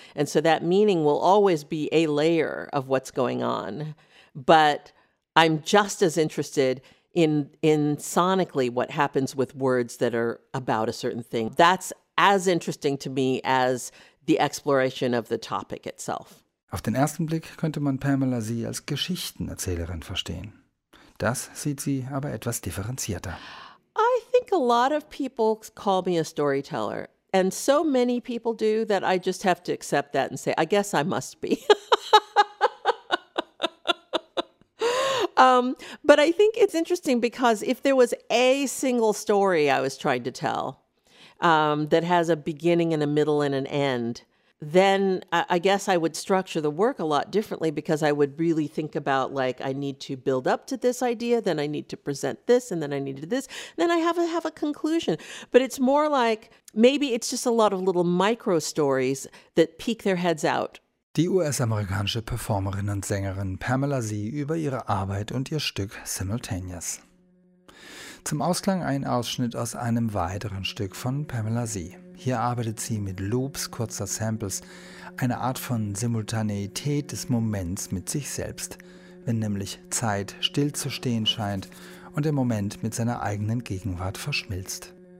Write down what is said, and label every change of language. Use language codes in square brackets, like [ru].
[en] And so that meaning will always be a layer of what's going on. But I'm just as interested in sonically what happens with words that are about a certain thing. That's as interesting to me as the exploration of the topic itself. [de] Auf den ersten Blick könnte man Pamela Sie als Geschichtenerzählerin verstehen. Das sieht sie aber etwas differenzierter. [en] I think a lot of people call me a storyteller, and so many people do that I just have to accept that and say, I guess I must be. but I think it's interesting because if there was a single story I was trying to tell that has a beginning and a middle and an end, then I guess I would structure the work a lot differently because I would really think about, like, I need to build up to this idea, then I need to present this, and then I need to do this, then I have a conclusion. But it's more like, maybe it's just a lot of little micro-stories that peek their heads out. [de] Die US-amerikanische Performerin und Sängerin Pamela Sie über ihre Arbeit und ihr Stück Simultaneous. Zum Ausklang ein Ausschnitt aus einem weiteren Stück von Pamela Sie. Hier arbeitet sie mit Loops kurzer Samples, eine Art von Simultaneität des Moments mit sich selbst, wenn nämlich Zeit stillzustehen scheint und der Moment mit seiner eigenen Gegenwart verschmilzt.